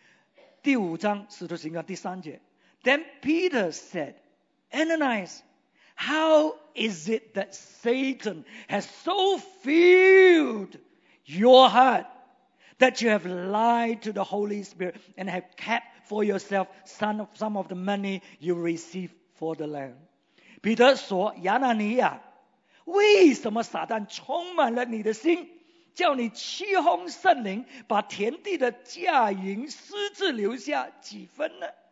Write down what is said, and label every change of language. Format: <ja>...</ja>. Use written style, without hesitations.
<zh>所以这个故事是讲到亚拿尼亚和撒非拉在初期的教会，他们都是很火热的。所以亚拿尼亚和撒非拉，他们甚至是要给很多给教会的，多过我们这里很多人要给的。我们有一些讲我们爱神，可是我们对神奉献给神，我们很孤寒的，我们不舍得。可是亚拿尼亚和撒非拉，哎，他们是愿意的。可是你看什么事情发生？第五章使徒行传第三节。</zh> <en>Then Peter said, Ananias, how is it that Satan has so filled your heart that you have lied to the Holy Spirit and have kept for yourself some of the money you received for the land?</en> <zh>Peter 说，亚拿尼亚，为什么撒旦充满了你的心，叫你欺哄圣灵，把田地的价银私自留下几分呢？</zh>